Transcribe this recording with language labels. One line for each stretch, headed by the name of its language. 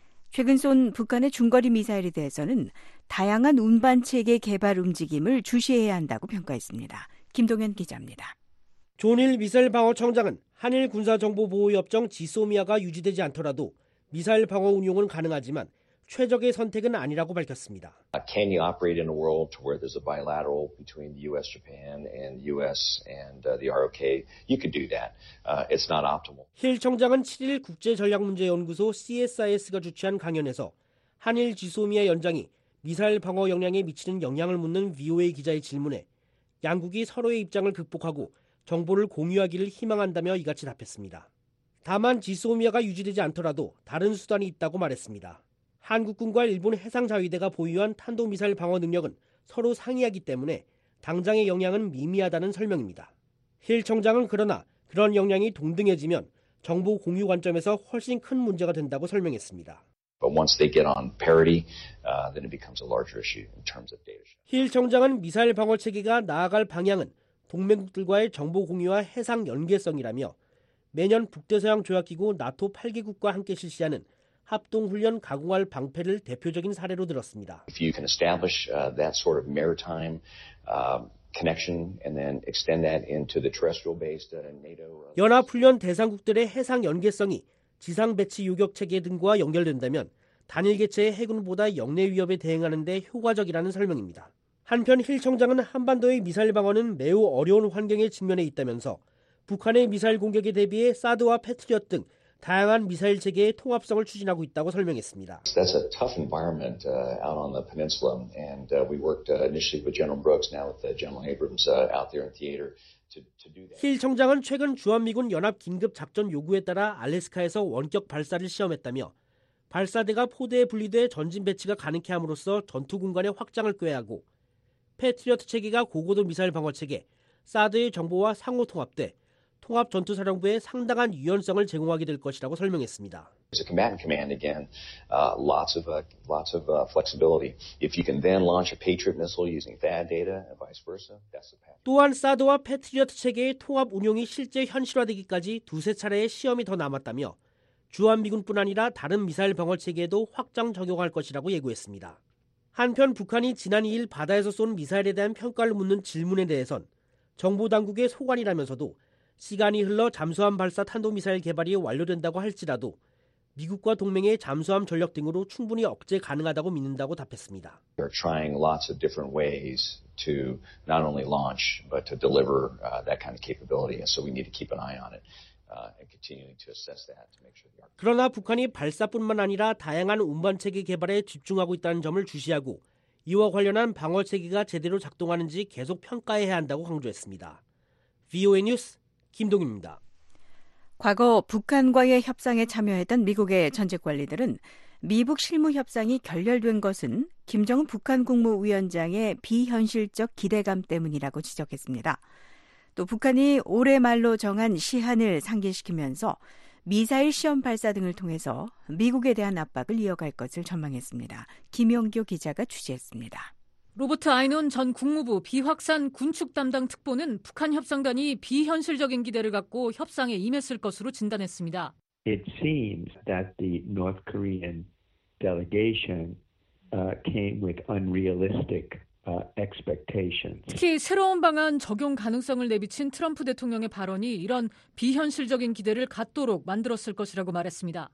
Korean: 최근 쏜 북한의 중거리 미사일에 대해서는 다양한 운반체계 개발 움직임을 주시해야 한다고 평가했습니다. 김동현 기자입니다. 존힐 미사일 방어청장은 한일 군사정보보호협정 지소미아가 유지되지 않더라도 미사일 방어 운용은 가능하지만 최적의 선택은 아니라고 밝혔습니다.
English: Can you operate in a world where there's a bilateral between the U.S., Japan, and U.S. and the ROK? You could do that. It's not optimal.
Korean: 힐 청장은 7일 국제전략문제연구소 CSIS가 주최한 강연에서 한일 지소미아 연장이 미사일 방어 역량에 미치는 영향을 묻는 VOA 기자의 질문에 양국이 서로의 입장을 극복하고 정보를 공유하기를 희망한다며 이같이 답했습니다. 다만 지소미아가 유지되지 않더라도 다른 수단이 있다고 말했습니다. 한국군과 일본 해상자위대가 보유한 탄도미사일 방어 능력은 서로 상이하기 때문에 당장의 영향은 미미하다는 설명입니다. 힐 청장은 그러나 그런 영향이 동등해지면 정보 공유 관점에서 훨씬 큰 문제가 된다고 설명했습니다.
English: But once they get on parity, then it becomes a larger issue in terms of data.
Korean: 힐 청장은 미사일 방어 체계가 나아갈 방향은 동맹국들과의 정보 공유와 해상 연계성이라며 매년 북대서양 조약기구 나토 8개국과 함께 실시하는 합동훈련 가공할 방패를 대표적인 사례로 들었습니다.
English: If you can establish that sort of maritime connection and then extend that into the terrestrial base that NATO
Korean: 연합훈련 대상국들의 해상 연계성이 지상 배치 요격 체계 등과 연결된다면 단일 개체의 해군보다 영내 위협에 대응하는 데 효과적이라는 설명입니다. 한편 힐 청장은 한반도의 미사일 방어는 매우 어려운 환경에 직면해 있다면서 북한의 미사일 공격에 대비해 사드와 패트리엇 등 다양한 미사일 체계의 통합성을 추진하고 있다고 설명했습니다.
English: That's a tough environment out on the peninsula, and we worked initially with General Brooks, now with General Abrams out there in theater to do that.
Korean: 힐 청장은 최근 주한미군 연합 긴급 작전 요구에 따라 알래스카에서 원격 발사를 시험했다며 발사대가 포대에 분리돼 전진 배치가 가능케 함으로써 전투 공간의 확장을 꾀하고 패트리어트 체계가 고고도 미사일 방어 체계, 사드의 정보와 상호 통합돼 통합 전투 사령부에 상당한 유연성을 제공하게 될 것이라고 설명했습니다.
English: It's a combatant command again. Lots of flexibility. If you can then launch a Patriot missile using THAAD data and vice versa, that's the path.
Korean: 또한 사드와 패트리어트 체계의 통합 운용이 실제 현실화되기까지 두세 차례의 시험이 더 남았다며 주한미군뿐 아니라 다른 미사일 방어 체계에도 확장 적용할 것이라고 예고했습니다. 한편 북한이 지난 2일 바다에서 쏜 미사일에 대한 평가를 묻는 질문에 대해선 정보당국의 소관이라면서도 시간이 흘러 잠수함 발사 탄도미사일 개발이 완료된다고 할지라도 미국과 동맹의 잠수함 전력 등으로 충분히 억제 가능하다고 믿는다고 답했습니다.
English: They are trying lots of different ways to not only launch but to deliver that kind of capability, and so we need to keep an eye on it. And continuing to assess that to make sure.
Korean: 그러나 북한이 발사뿐만 아니라 다양한 운반 체계 개발에 집중하고 있다는 점을 주시하고 이와 관련한 방어 체계가 제대로 작동하는지 계속 평가해야 한다고 강조했습니다. VOA 뉴스 김동희입니다. 과거 북한과의 협상에 참여했던 미국의 전직 관리들은 미북 실무 협상이 결렬된 것은 김정은 북한 국무위원장의 비현실적 기대감 때문이라고 지적했습니다. 또 북한이 올해 말로 정한 시한을 상기시키면서 미사일 시험 발사 등을 통해서 미국에 대한 압박을 이어갈 것을 전망했습니다. 김영교 기자가 취재했습니다. 로버트 아이논 전 국무부 비확산 군축 담당 특보는 북한 협상단이 비현실적인 기대를 갖고 협상에 임했을 것으로 진단했습니다.
English: It seems that the North Korean delegation came with unrealistic expectations.
Korean: 특히 새로운 방안 적용 가능성을 내비친 트럼프 대통령의 발언이 이런 비현실적인 기대를 갖도록 만들었을 것이라고 말했습니다.